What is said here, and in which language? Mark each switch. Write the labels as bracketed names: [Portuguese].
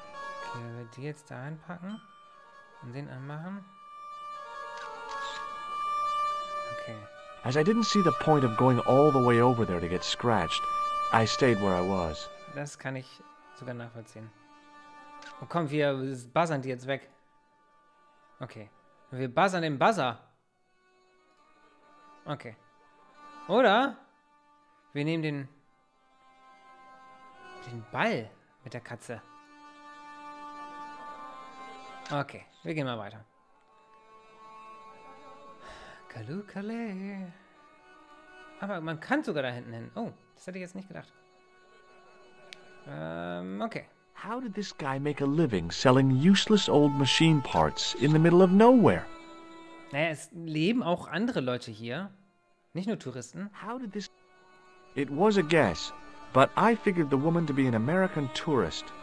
[German] Okay, wir die jetzt da einpacken und den anmachen. [English] As I didn't see the point of going all the way over there to get scratched, I stayed where I was. [German] Das kann ich sogar nachvollziehen. Oh, komm, wir buzzern die jetzt weg. Okay. Wir buzzern den Buzzer. Okay. Oder wir nehmen den Ball mit der Katze. Okay, wir gehen mal weiter. Kalu Kale. Aber man kann sogar da hinten hin. Oh, das hätte ich jetzt nicht gedacht. Okay. [English] How did this guy make a living selling useless old machine parts in the middle of nowhere? [German] Naja, es leben auch andere Leute hier. Nicht nur Touristen. [English] How did this... It was a guess, but I figured the woman to be an American tourist.